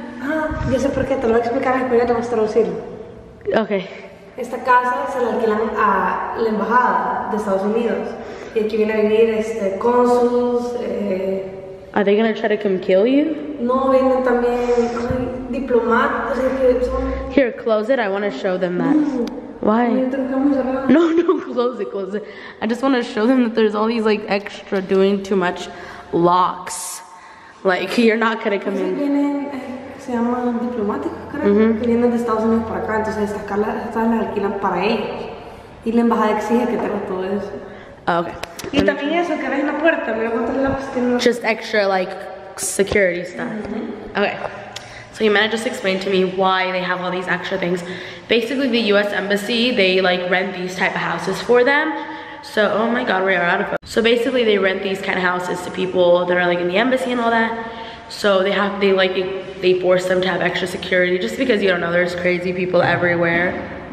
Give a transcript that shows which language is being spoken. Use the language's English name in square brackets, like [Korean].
[Spanish] Ah, yo sé por qué, te lo voy a explicar después, ya te voy a traducir. [English] Okay. [Spanish] Esta casa se la alquilan a la embajada de Estados Unidos. Y aquí viene a vivir cónsules. [English] Are they gonna try to come kill you? [Spanish] No, vienen también diplomáticos. [English] Here, close it. I want to show them that. Why? No, no, close it, close it. I just want to show them that there's all these like extra doing too much locks. Like, you're not gonna come in. [Spanish] Se llama diplomático, creo, que vienen de Estados Unidos para acá, entonces esta casa la alquilan para ellos. Y la embajada exige que tenga todo eso. [English] Okay. [Spanish] Y también eso, que ves en la puerta, mira cuántos locks tienen. [English] Just extra, like, security stuff. Okay. So Yamana just explained to me why they have all these extra things. Basically, the US Embassy, they like rent these type of houses for them. So, oh my god, we are out of focus. So basically, they rent these kind of houses to people that are like in the embassy and all that. So they have, they like, they force them to have extra security just because, you don't know, there's crazy people everywhere.